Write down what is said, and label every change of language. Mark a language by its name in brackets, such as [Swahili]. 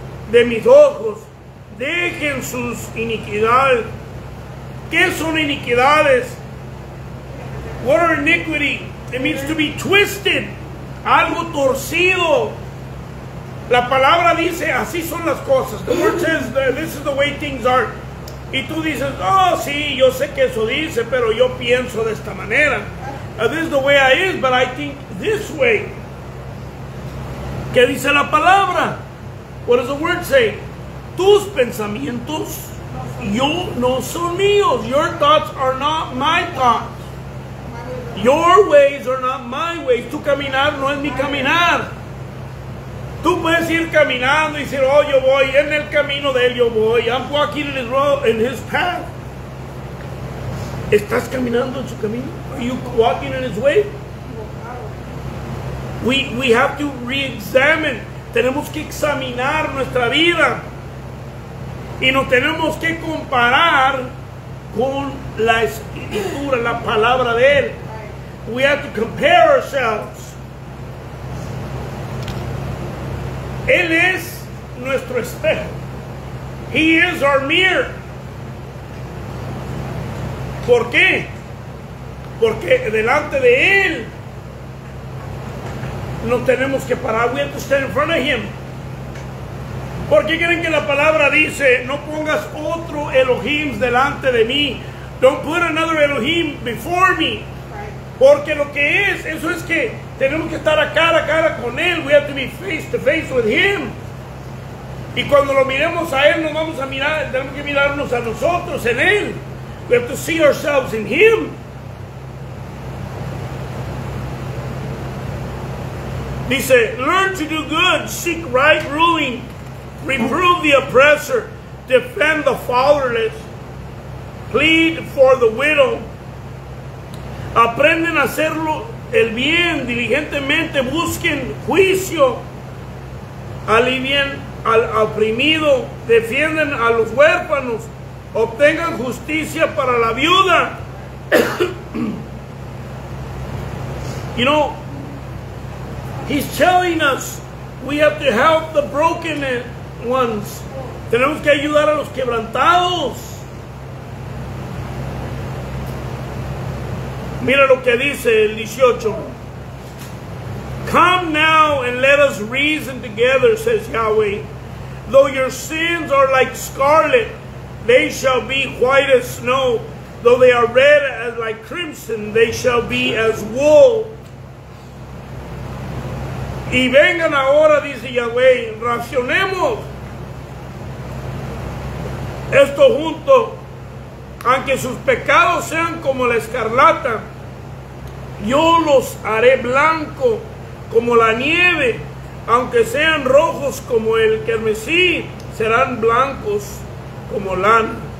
[Spanish] De mis ojos, dejen sus iniquidades. ¿Qué son iniquidades? [English] What are iniquity? It means to be twisted. [Spanish] Algo torcido. La palabra dice, así son las cosas. [English] The word says, this is the way things are. [Spanish] Y tú dices, oh sí, yo sé que eso dice, pero yo pienso de esta manera. [English] This is the way I is, but I think this way. [Spanish] ¿Qué dice la palabra? [English] What does the word say? [Spanish] Tus pensamientos no son míos. [English] Your thoughts are not my thoughts. Your ways are not my ways. [Spanish] Tu caminar no es mi caminar. Tú puedes ir caminando y decir, oh, yo voy en el camino de él, yo voy. [English] I'm walking in his road, in his path. [Spanish] ¿Estás caminando en su camino? [English] Are you walking in his way? We have to re-examine. [Spanish] Tenemos que examinar nuestra vida y nos tenemos que comparar con la escritura, la palabra de él. [English] We have to compare ourselves. [Spanish] Él es nuestro espejo. [English] He is our mirror. [Spanish] ¿Por qué? Porque delante de él nos tenemos que parar. [English] We have to stand in front of him. [Spanish] ¿Por qué creen que la palabra dice, no pongas otro Elohim delante de mí? [English] Don't put another Elohim before me. [Spanish] Porque lo que es, eso es que tenemos que estar cara a cara con él. [English] We have to be face to face with him. [Spanish] Y cuando lo miremos a él, nos vamos a mirar, tenemos que mirarnos a nosotros en él. [English] We have to see ourselves in him. Dice, learn to do good, seek right ruling, reprove the oppressor, defend the fatherless, plead for the widow. [Spanish] Aprenden a hacerlo el bien diligentemente, busquen juicio, alivien al oprimido, defienden a los huérfanos, obtengan justicia para la viuda. [English] You know, he's telling us we have to help the broken ones. [Spanish] Tenemos que ayudar a los quebrantados. Mira lo que dice el 18. [English] Come now and let us reason together, says Yahweh. Though your sins are like scarlet, they shall be white as snow. Though they are red as like crimson, they shall be as wool. [Spanish] Y vengan ahora, dice Yahweh, racionemos esto junto, aunque sus pecados sean como la escarlata. Yo los haré blanco como la nieve, aunque sean rojos como el carmesí, serán blancos como lana.